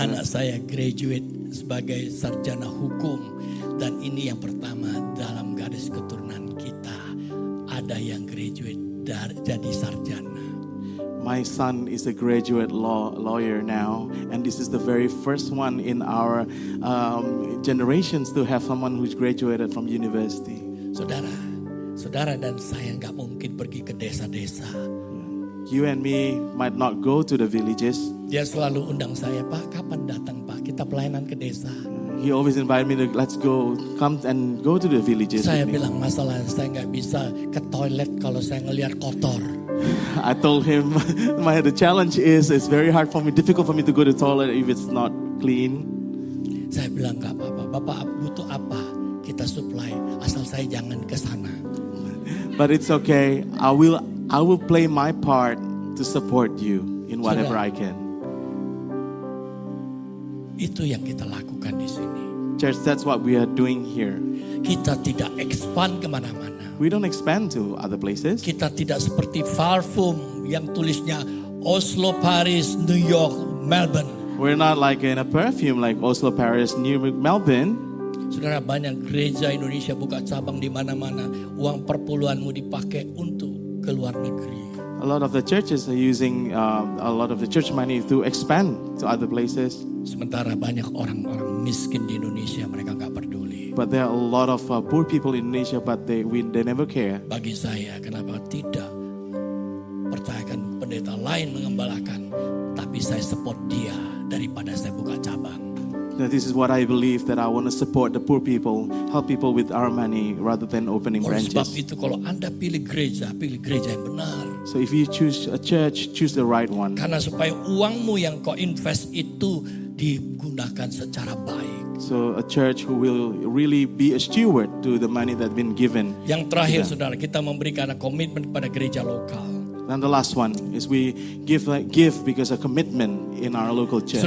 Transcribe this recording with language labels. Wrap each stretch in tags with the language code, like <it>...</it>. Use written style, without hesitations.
<id>Anak saya graduate sebagai sarjana hukum, dan ini yang pertama dalam garis keturunan kita ada yang graduate jadi sarjana.</id> <en>My son is a graduate lawyer now, and this is the very first one in our generations to have someone who's graduated from university.</en> <id>Saudara dan saya enggak mungkin pergi ke desa-desa.</id> <en>You and me might not go to the villages.</en> <id>Dia selalu undang saya, Pak, kapan datang, Pak? Kita pelayanan ke desa.</id> <en>He always invite me to let's go, come and go to the villages.</en> <id>Saya bilang masalah saya enggak bisa ke toilet kalau saya ngelihat kotor.</id> <en>I told him the challenge is it's very hard for me, difficult for me to go to the toilet if it's not clean.</en> <id>Saya bilang enggak apa-apa, Bapak butuh apa? Kita supply, asal saya jangan ke sana.</id> <en>But it's okay. I will play my part to support you in whatever I can.</en> <id>Itu yang kita lakukan di sini.</id> <en>Church, that's what we are doing here.</en> <id>Kita tidak expand ke mana-mana.</id> <en>We don't expand to other places.</en> <id>Kita tidak seperti Farfum yang tulisnya Oslo, Paris, New York, Melbourne.</id> <en>We're not like in a perfume like Oslo, Paris, New York, Melbourne.</en> <id>Saudara, banyak gereja Indonesia buka cabang di mana-mana. Uang perpuluhanmu dipakai untuk ke luar negeri.</id> <en>A lot of the churches are using a lot of the church money to expand to other places.</en> <id>Sementara banyak orang-orang miskin di Indonesia, mereka enggak peduli.</id> <en>But there are a lot of poor people in Indonesia, but they never care.</en> <id>Bagi saya, kenapa tidak percayakan pendeta lain mengembalakan, tapi saya support dia daripada saya buka cabang.</id> <en>Now this is what I believe, that I want to support the poor people, help people with our money rather than opening branches.</en> <id>Sebab itu kalau Anda pilih gereja yang benar.</id> <en>So if you choose a church, choose the right one.</en> <id>Karena supaya uangmu yang kau invest itu digunakan secara baik.</id> <en>So a church who will really be a steward to the money that's been given.</en> <id>Yang terakhir, saudara, kita memberikan komitmen kepada gereja lokal.</id> <en>And the last one is we give because a commitment in our local church.</en>